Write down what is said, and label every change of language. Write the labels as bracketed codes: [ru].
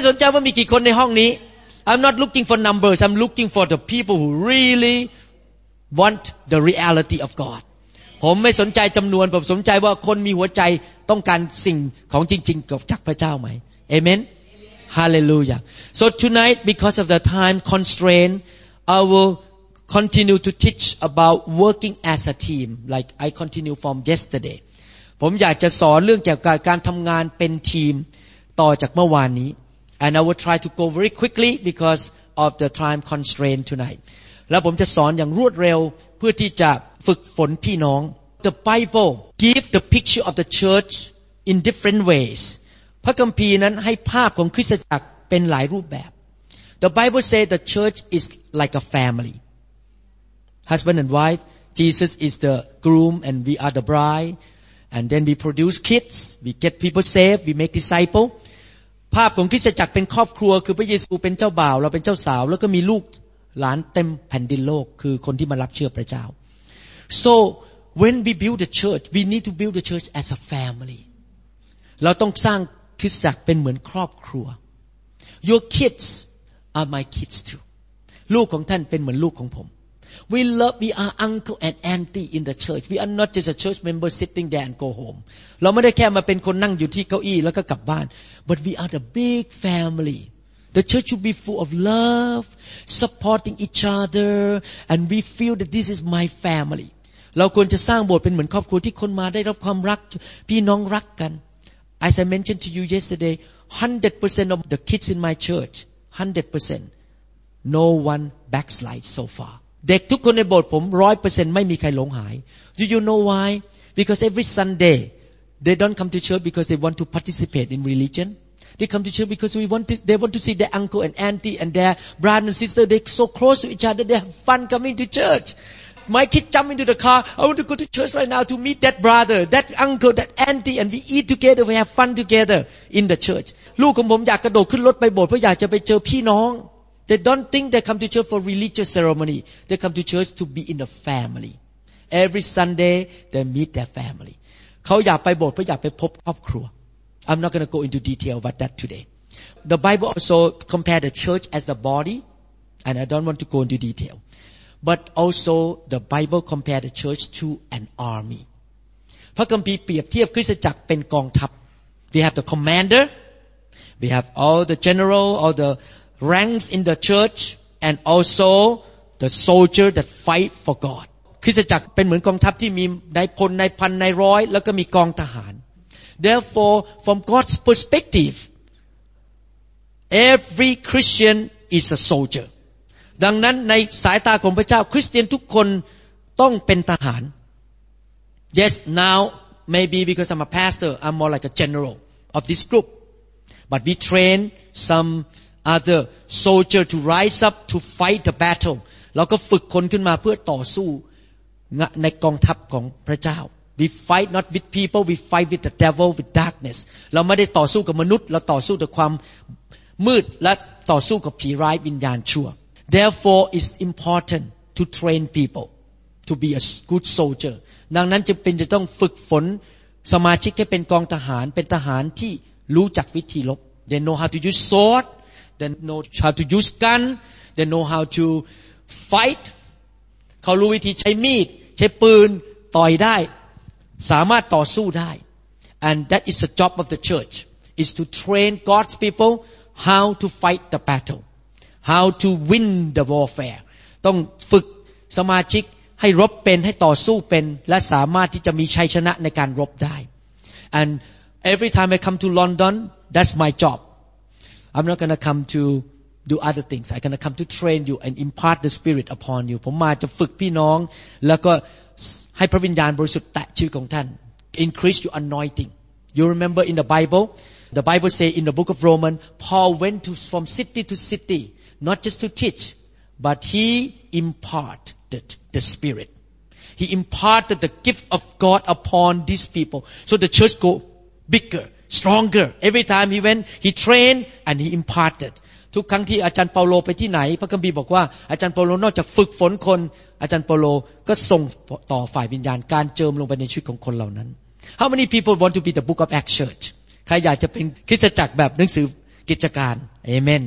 [en] I'm not looking for numbers. I'm looking for the people who really want the reality of God. [th] ผมไม่สนใจจำนวนผมสนใจว่าคนมีหัวใจต้องการสิ่งของจริงๆกับจากพระเจ้าไหม Amen. [en] Hallelujah. So tonight, because of the time constraint, I will. Continue to teach about working as a team, like I continue from yesterday. [th] ผมอยากจะสอนเรื่องเกี่ยวกับการทำงานเป็นทีมต่อจากเมื่อวานนี้ [en] And I will try to go very quickly because of the time constraint tonight. [th] แล้วผมจะสอนอย่างรวดเร็วเพื่อที่จะฝึกฝนพี่น้อง [en] The Bible gives the picture of the church in different ways. [th] พระคัมภีร์นั้นให้ภาพของคริสตจักรเป็นหลายรูปแบบ [en] The Bible says the church is like a family. Husband and wife, Jesus is the groom and we are the bride. And then we produce kids, we get people saved, we make disciples. [th] ภาพของคริสตจักรเป็นครอบครัวคือพระเยซูเป็นเจ้าบ่าวเราเป็นเจ้าสาวแล้วก็มีลูกหลานเต็มแผ่นดินโลกคือคนที่มารับเชื่อพระเจ้า [en] So when we build the church, we need to build the church as a family. [th] เราต้องสร้างคริสตจักรเป็นเหมือนครอบครัว [en] Your kids are my kids too. [th] ลูกของท่านเป็นเหมือนลูกของผม [en] We love, we are uncle and auntie in the church. We are not just a church member sitting there and go home. [th] เราไม่ได้แค่มาเป็นคนนั่งอยู่ที่เก้าอี้แล้วก็กลับบ้าน [en] But we are the big family. The church should be full of love, supporting each other, and we feel that this is my family. [th] เราควรจะสร้างโบสถ์เป็นเหมือนครอบครัวที่คนมาได้รับความรักพี่น้องรักกัน [en] As I mentioned to you yesterday, 100% of the kids in my church, 100%, no one backslides so far. [th] เด็กทุกคนในโบสถ์ผม 100% ไม่มีใครหลงหาย [en] Do you know why? Because every Sunday they don't come to church because they want to participate in religion. They come to church because they want to see their uncle and auntie and their brother and sister. They're so close to each other. They have fun coming to church. My kid jump into the car. I want to go to church right now to meet that brother, that uncle, that auntie, and we eat together. We have fun together in the church. [th] ลูกของผมอยากกระโดดขึ้นรถไปโบสถ์เพราะอยากจะไปเจอพี่น้อง [en] They don't think they come to church for religious ceremony. They come to church to be in the family. Every Sunday, they meet their family. I'm not going to go into detail about that today. The Bible also compares the church as the body, and I don't want to go into detail. But also, the Bible compares the church to an army. [th] พระคัมภีร์เปรียบเทียบคริสตจักรเป็นกองทัพ [en] We have the commander. We have all the general, all theranks in the church and also the soldier that fight for God. [th] คริสตจักรเป็นเหมือนกองทัพที่มีนายพลนายพันนายร้อยแล้วก็มีกองทหาร [en] Therefore from God's perspective every Christian is a soldier. [th] ดังนั้นในสายตาของพระเจ้าคริสเตียนทุกคนต้องเป็นทหาร [en] Yes now maybe because I'm a pastor I'm more like a general of this group. But we train someother soldier to rise up to fight the battle [th] แล้วก็ฝึกคนขึ้นมาเพื่อต่อสู้ในกองทัพของพระเจ้า [en] we fight not with people we fight with the devil with darkness [th] เราไม่ได้ต่อสู้กับมนุษย์เราต่อสู้กับความมืดและต่อสู้กับผีร้ายวิญญาณชั่ว [en] therefore it's important to train people to be a good soldier [th] ดังนั้นจําเป็นจะต้องฝึกฝนสมาชิกให้เป็นกองทหารเป็นทหารที่รู้จักวิธีรบ [en] they know how to use swordThey know how to use gun. They know how to fight. [th] เขารู้วิธีใช้มีดใช้ปืนต่อยได้สามารถต่อสู้ได้ [en] And that is the job of the church is to train God's people how to fight the battle, how to win the warfare. [th] ต้องฝึกสมาชิกให้รบเป็นให้ต่อสู้เป็นและสามารถที่จะมีชัยชนะในการรบได้ [en] And every time I come to London, that's my job.I'm not going to come to do other things. I'm going to come to train you and impart the Spirit upon you. [th] ผมมาจะฝึกพี่น้องแล้วก็ให้พระวิญญาณบริสุทธิ์แตะชีวิตของท่าน [en] increase your anointing. You remember in the Bible say in the book of Romans, Paul went to, from city to city, not just to teach, but he imparted the Spirit. He imparted the gift of God upon these people, so the church go bigger. Stronger. Every time he went, he trained and he imparted. [th] ทุกครั้งที่อาจารย์เปาโลไปที่ไหนพระคัมภีร์บอกว่าอาจารย์เปาโลนอกจากฝึกฝนคนอาจารย์เปาโลก็ส่งต่อฝ่ายวิญญาณการเจิมลงไปในชีวิตของคนเหล่านั้น [en] How many people want to be the Book of Acts Church? [th] ใครอยากจะเป็นคริสตจักรแบบหนังสือกิจการ Amen.